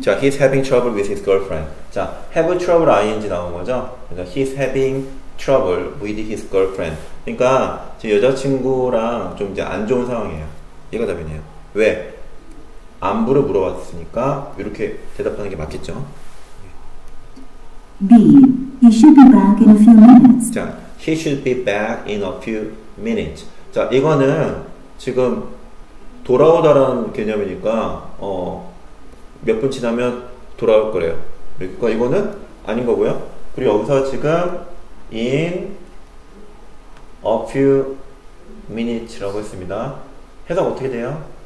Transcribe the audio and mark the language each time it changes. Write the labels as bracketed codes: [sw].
[en] 자, he's having trouble with his girlfriend. 자, have a trouble ing [ko] 나온 거죠? [en] 그러니까 he's having trouble with his girlfriend. [ko] 그러니까 제 여자친구랑 좀 이제 안 좋은 상황이에요. 이거 답이네요. 왜? 안부를 물어봤으니까 이렇게 대답하는 게 맞겠죠? [en] B. He should be back in a few minutes. 자, he should be back in a few minutes. [ko] 자, 이거는 지금 돌아오다라는 개념이니까 몇 분 지나면 돌아올 거래요. 그러니까 이거는 아닌 거고요. 그리고 여기서 지금 [en] in a few minutes [ko] 라고 했습니다. 해석 어떻게 돼요?